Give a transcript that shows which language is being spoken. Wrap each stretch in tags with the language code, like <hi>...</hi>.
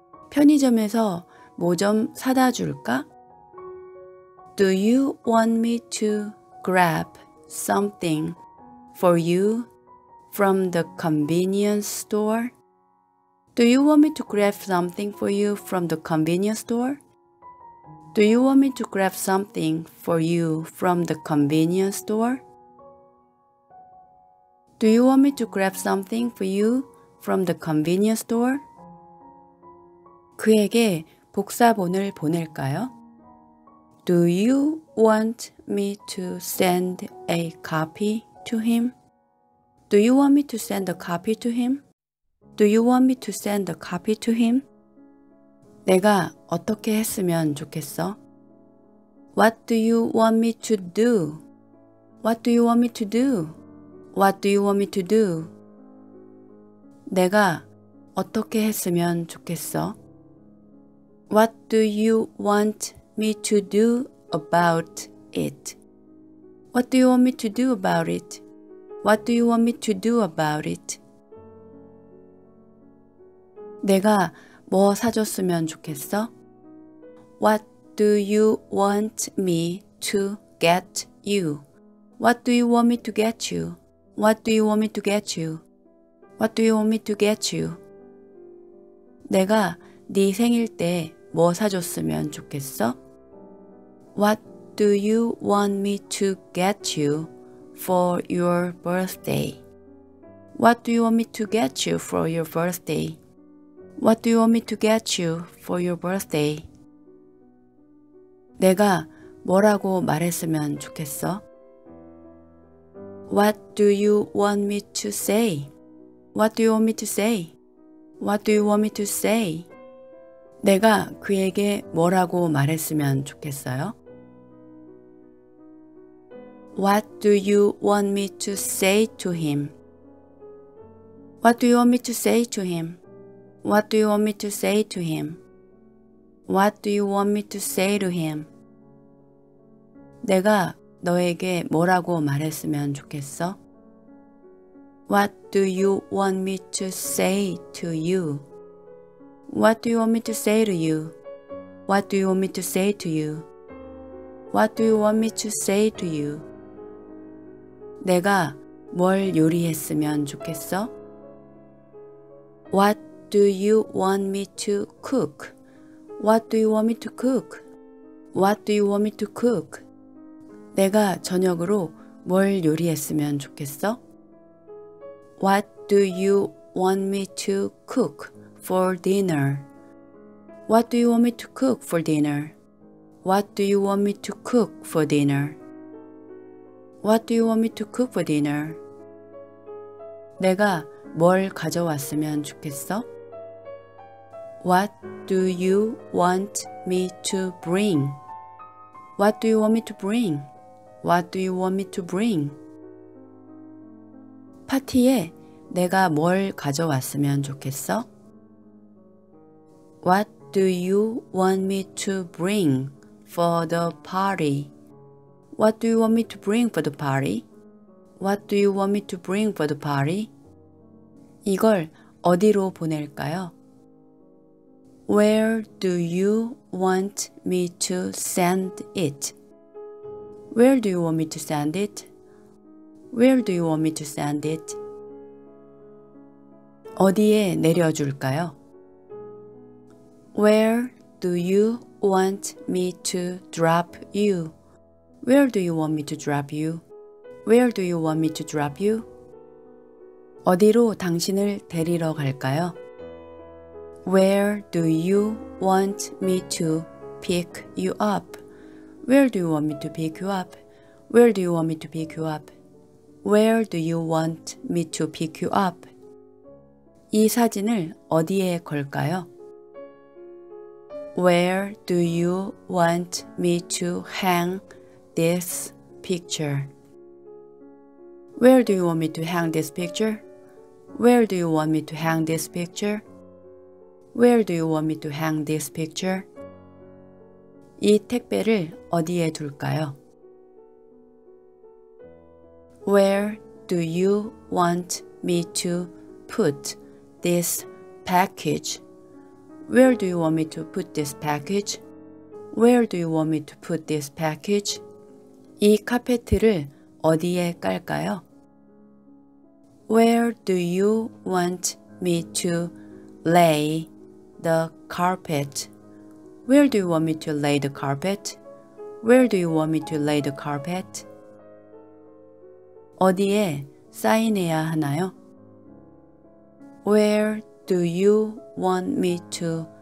<ko>편의점에서 뭐 좀 사다 줄까?</ko> <en>Do you want me to grab something for you from the convenience store? Do you want me to grab something for you from the convenience store? Do you want me to grab something for you from the convenience store? Do you want me to grab something for you from the convenience store?</en> <ko>그에게 복사본을 보낼까요?</ko> <en>Do you want me to send a copy to him? Do you want me to send a copy to him? Do you want me to send a copy to him?</en> <ko>내가 어떻게 했으면 좋겠어?</ko> <en>What do you want me to do? What do you want me to do? What do you want me to do?</en> <ko>내가 어떻게 했으면 좋겠어?</ko> <en>What do you want me to do about it? What do you want me to do about it? What do you want me to do about it?</en> <ko>내가 뭐 사줬으면 좋겠어?</ko> <en>What do you want me to get you? What do you want me to get you? What do you want me to get you? What do you want me to get you?</en> <ko>내가 네 생일 때 뭐 사줬으면 좋겠어?</ko> <en>What do you want me to get you for your birthday? What do you want me to get you for your birthday? What do you want me to get you for your birthday?</en> <ko>내가 뭐라고 말했으면 좋겠어?</ko> <en>What do you want me to say? What do you want me to say? What do you want me to say?</en> <ko>내가 그에게 뭐라고 말했으면 좋겠어요?</ko> <en>What do you want me to say to him? What do you want me to say to him? What do you want me to say to him? What do you want me to say to him?</en> <ko>내가 너에게 뭐라고 말했으면 좋겠어?</ko> <en>What do you want me to say to you? What do you want me to say to you? What do you want me to say to you? What do you want me to say to you?</en> <ko>내가 뭘 요리했으면 좋겠어?</ko> <en>What do you want me to cook? What do you want me to cook? What do you want me to cook?</en> <ko>내가 저녁으로 뭘 요리했으면 좋겠어?</ko> <en>What do you want me to cook for dinner? What do you want me to cook for dinner? What do you want me to cook for dinner? What do you want me to cook for dinner?</en> <ko>내가 뭘 가져왔으면 좋겠어?</ko> <en>What do you want me to bring? What do you want me to bring? What do you want me to bring?</en> <ko>파티에 내가 뭘 가져왔으면 좋겠어?</ko> <en>What do you want me to bring for the party? What do you want me to bring for the party? What do you want me to bring for the party?</en> <ko>이걸 어디로 보낼까요?</ko> <en>Where do you want me to send it? Where do you want me to send it? Where do you want me to send it?</en> <ko>어디에 내려줄까요?</ko> <en>Where do you want me to drop you? Where do you want me to drop you? Where do you want me to drop you?</en> <ko>어디로 당신을 데리러 갈까요?</ko> <en>Where do you want me to pick you up? Where do you want me to pick you up? Where do you want me to pick you up? Where do you want me to pick you up?</en> <ko>이 사진을 어디에 걸까요?</ko> <en>Where do you want me to hang this picture? Where do you want me to hang this picture? Where do you want me to hang this picture? Where do you want me to hang this picture?</en> <ko>이 택배를 어디에 둘까요?</ko> <en>Where do you want me to put this package? Where do you want me to put this package? Where do you want me to put this package?</en> <ko>이 카페트를 어디에 깔까요?</ko> <en>Where do you want me to lay the carpet? Where do you want me to lay the carpet? Where do you want me to lay the carpet?</en> <ko>어디에 사인해야 하나요?</ko> <en>Where do you want me to</en>